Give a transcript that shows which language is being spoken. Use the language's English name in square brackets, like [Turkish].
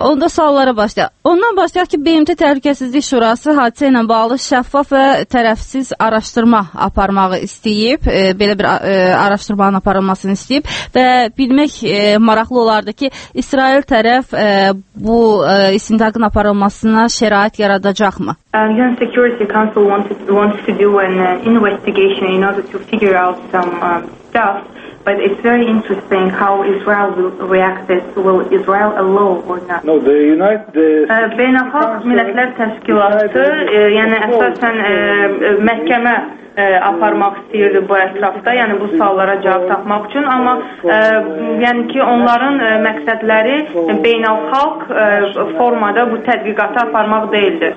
[Azerbaijani] Onda suallara başlayaq. Ondan başlayaq ki, BMT Təhlükəsizlik Şurası hadisə ilə bağlı şəffaf və tərəfsiz araşdırma aparmağı istəyib. Belə bir araşdırmanın aparılmasını istəyib. Və bilmək maraqlı olardı ki, İsrail tərəf bu istintaqın aparılmasına şərait yaradacaq mı? [English] UN Security Council wants to do an investigation in order to figure out some stuff, but it's very interesting how Israel will react. Will Israel allow or not? No, the United [Azerbaijani] Beynəlxalq Millətlər Təşkilatı, yəni əsasən məhkəmə aparmaq istəyirdi bu ətrafda, yəni bu suallara cavab tapmaq üçün, amma yəni ki, onların məqsədləri beynəlxalq formada bu tədqiqatı aparmaq deyildi.